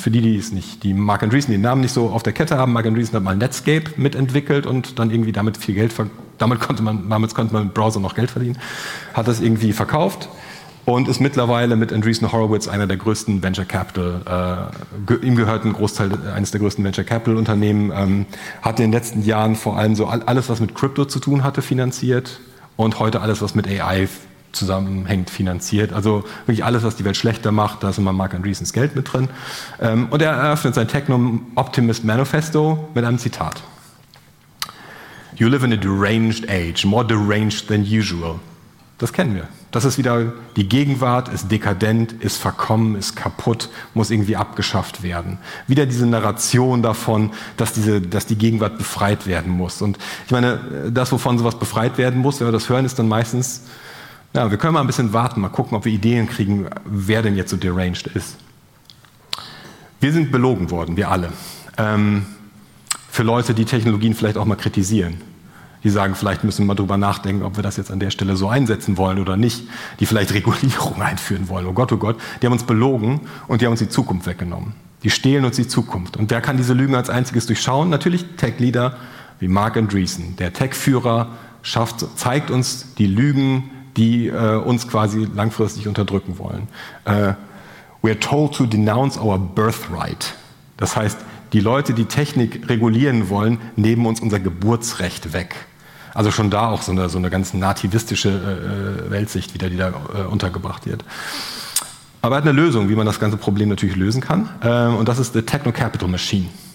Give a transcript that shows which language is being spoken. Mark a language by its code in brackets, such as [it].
[de] Für die Marc Andreessen den Namen nicht so auf der Kette haben, Marc Andreessen hat mal Netscape mitentwickelt und dann irgendwie damit viel Geld, damit konnte man mit Browser noch Geld verdienen, hat das irgendwie verkauft und ist mittlerweile mit Andreessen Horowitz einer der größten Venture Capital, ihm gehört ein Großteil eines der größten Venture Capital Unternehmen, hat in den letzten Jahren vor allem so alles, was mit Crypto zu tun hatte, finanziert und heute alles, was mit AI zusammenhängt, finanziert. Also wirklich alles, was die Welt schlechter macht, da ist immer Marc Andreessens Geld mit drin. Und er eröffnet sein Techno-Optimist-Manifesto mit einem Zitat. [en] You live in a deranged age, more deranged than usual. [de] Das kennen wir. Das ist wieder die Gegenwart, ist dekadent, ist verkommen, ist kaputt, muss irgendwie abgeschafft werden. Wieder diese Narration davon, dass die Gegenwart befreit werden muss. Und ich meine, das, wovon sowas befreit werden muss, wenn wir das hören, ist dann meistens, ja, wir können mal ein bisschen warten, mal gucken, ob wir Ideen kriegen, wer denn jetzt so deranged ist. Wir sind belogen worden, wir alle. Für Leute, die Technologien vielleicht auch mal kritisieren. Die sagen, vielleicht müssen wir mal drüber nachdenken, ob wir das jetzt an der Stelle so einsetzen wollen oder nicht. Die vielleicht Regulierung einführen wollen. Oh Gott, die haben uns belogen und die haben uns die Zukunft weggenommen. Die stehlen uns die Zukunft. Und wer kann diese Lügen als einziges durchschauen? Natürlich Tech-Leader wie Marc Andreessen. Der Tech-Führer zeigt uns die Lügen, die uns quasi langfristig unterdrücken wollen. [en] We're told to denounce our birthright. [de] Das heißt, die Leute, die Technik regulieren wollen, nehmen uns unser Geburtsrecht weg. Also schon da auch so eine ganz nativistische Weltsicht wieder, die da untergebracht wird. Aber er hat eine Lösung, wie man das ganze Problem natürlich lösen kann. Und das ist the Techno-Capital Machine.